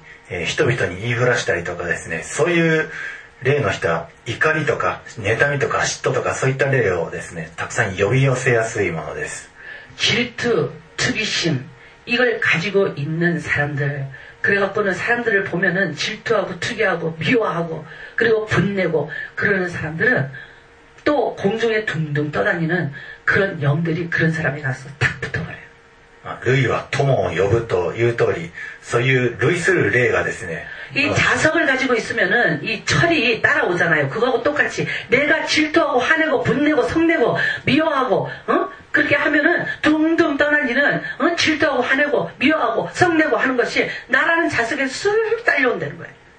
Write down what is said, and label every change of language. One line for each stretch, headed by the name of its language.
Japanese: ちょっとでも人のですね欠点とかを見るとすぐ怒ったりギャーギャー騒いだり人々に言いふらしたりとかですねそういう 例の人は怒りとか妬みとか嫉妬とかそういった例をですねたくさん呼び寄せやすいものです。
Korean: 질투, 투기심 이걸 가지고 있는 사람들, 그래갖고는 사람들을 보면은 질투하고 투기하고 미워하고 그리고 분내고 그러는 사람들은 또 공중에 둥둥 떠다니는 그런 영들이 그런 사람에 가서 탁 붙어버려요.
Japanese: 루이와 토모를 呼ぶという通り そういう類する例がですね
Korean: 이 자석을 가지고 있으면은 이 철이 따라오잖아요. 그거하고 똑같이 내가 질투하고 화내고 분내고 성내고 미워하고 그렇게 하면은 둥둥 떠나니는 질투하고 화내고 미워하고 성내고 하는 것이 나라는 자석에 쑥 달려온다는 거예요.